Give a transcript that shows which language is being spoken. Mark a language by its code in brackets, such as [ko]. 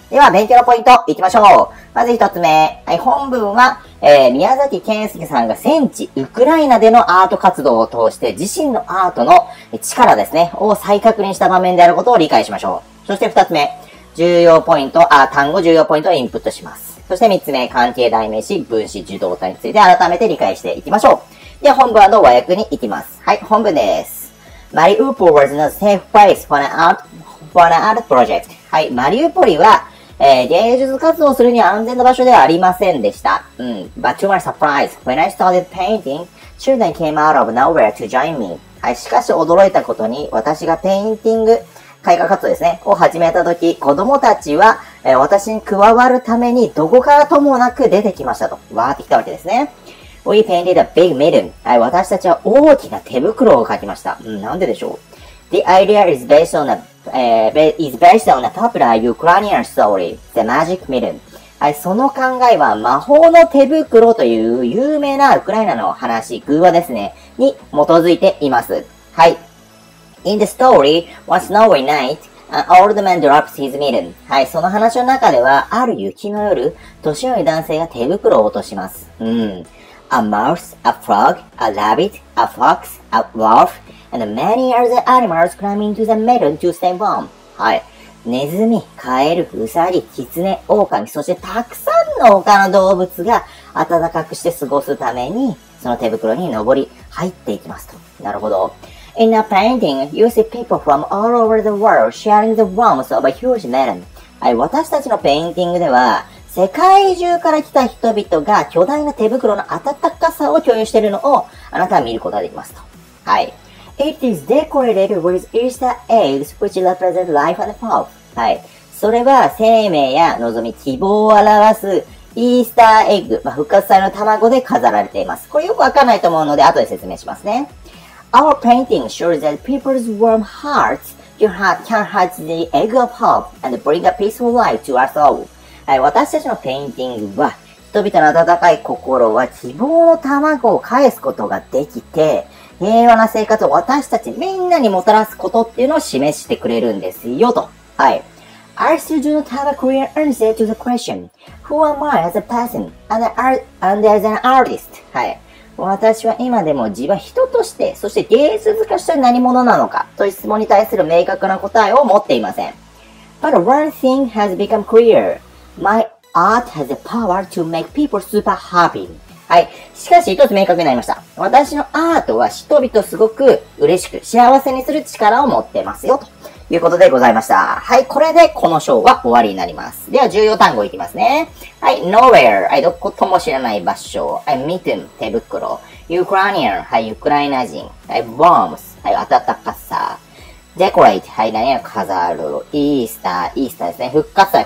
[ja] では勉強のポイントいきましょう。まず1つ目、はい、本文は、宮崎健介さんが戦地ウクライナでのアート活動を通して自身のアートの力ですねを再確認した場面であることを理解しましょう。そして2つ目、単語重要ポイントをインプットします。そして3つ目、関係代名詞、分子、受動体について改めて理解していきましょう。では本文&和訳に行きます。はい、本文です。 [en] マリウポリ was not safe place for an art, project. [ja] はい、マリウポリは、芸術活動するには安全な場所ではありませんでした。 [en] But to my surprise, when I started painting, children came out of nowhere to join me. [ja] はい、しかし驚いたことに、私がペインティング、絵画活動ですね、を始めたとき、子供たちは、私に加わるために、どこからともなく出てきましたと、わーってきたわけですね。 [en] We painted a big mitten. [ja] はい、私たちは大きな手袋を描きました。なんででしょう。 [en] The idea is based on a, popular Ukrainian story, The Magic Mitten. [ja] はい、その考えは、魔法の手袋という有名なウクライナの話、偶話ですね、に基づいています。 [en] はい。In the story, one snowy night, an old man drops his mitten. [ja] はい、その話の中では、ある雪の夜、年老い男性が手袋を落とします。 [en] A mouse, a frog, a rabbit, a fox, a wolf, and many other animals climb into the mitten to stay warm. [ja] はい、ネズミ、カエル、ウサギ、キツネ、オオカミ、そしてたくさんの他の動物が暖かくして過ごすために、その手袋に登り入っていきますと。なるほど。 [en] In a painting, you see people from all over the world sharing the warmth of a huge melon. [ja] はい、私たちのペインティングでは、世界中から来た人々が巨大な手袋の温かさを共有しているのを、あなたは見ることができますと。はい。 [en] It is decorated with Easter eggs, which represent life and hope. はい。 [ja] それは、生命や望み、希望を表すイースターエッグ、まあ、復活祭の卵で飾られています。これよくわかんないと思うので、後で説明しますね。 [en] Our painting shows that people's warm hearts can hatch the egg of hope and bring a peaceful life to us all. [ja] はい、私たちのペインティングは、人々の温かい心は希望の卵を返すことができて、平和な生活を私たちみんなにもたらすことっていうのを示してくれるんですよと。はい。 [en] I still do not have a clear answer to the question. Who am I as a person and as an artist? はい。 [ja] 私は今でも自分は人として、そして芸術家として何者なのかという質問に対する明確な答えを持っていません。 [en] But one thing has become clear. My art has the power to make people super happy. はい。 [ja] しかし一つ明確になりました。私のアートは人々をすごく嬉しく幸せにする力を持っていますよ。ということでございました。はい。これでこの章は終わりになります。では重要単語いきますね。はい。nowhere. はい。どことも知らない場所。はい。mitten. 手袋。ukrainian. はい。ウクライナ人。はい。warmth. はい。暖かさ。decorate. はい。何を飾る。easter. easter ですね。復活祭。